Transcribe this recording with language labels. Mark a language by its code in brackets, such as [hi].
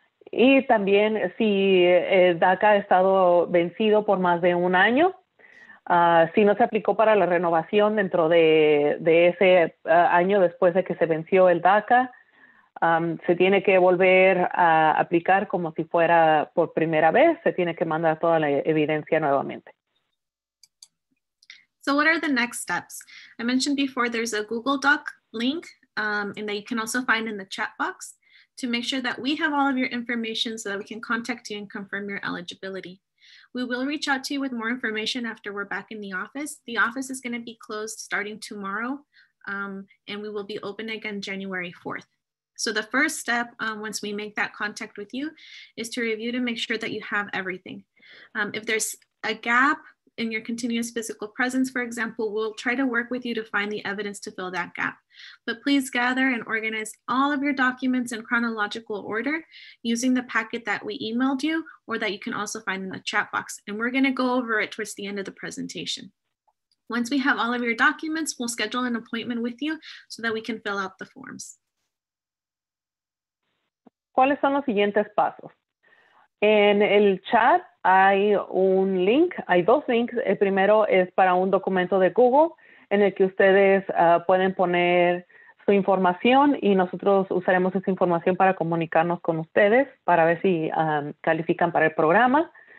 [es] Y también si DACA ha estado vencido por más de un año, si no se aplicó para la renovación dentro de ese año después de que se venció el DACA, se tiene que volver a aplicar como si fuera por primera vez. Se tiene que mandar toda la evidencia nuevamente. [en] So what are the next steps? I mentioned before there's a Google Doc link and that you can also find in the chat box to make sure that we have all of your information so that we can contact you and confirm your eligibility. We will reach out to you with more information after we're back in the office. The office is going to be closed starting tomorrow and we will be open again January 4th. So the first step once we make that contact with you is to review to make sure that you have everything. If there's a gap in your continuous physical presence, for example, we'll try to work with you to find the evidence to fill that gap. But please gather and organize all of your documents in chronological order using the packet that we emailed you or that you can also find in the chat box. And we're going to go over it towards the end of the presentation. Once we have all of your documents, we'll schedule an appointment with you so that we can fill out the forms. [es] ¿Cuáles son los siguientes pasos? En el chat hay un link, hay dos links. El primero es para un documento de Google en el que ustedes pueden poner su información y nosotros usaremos esa información para comunicarnos con ustedes para ver si califican para el programa.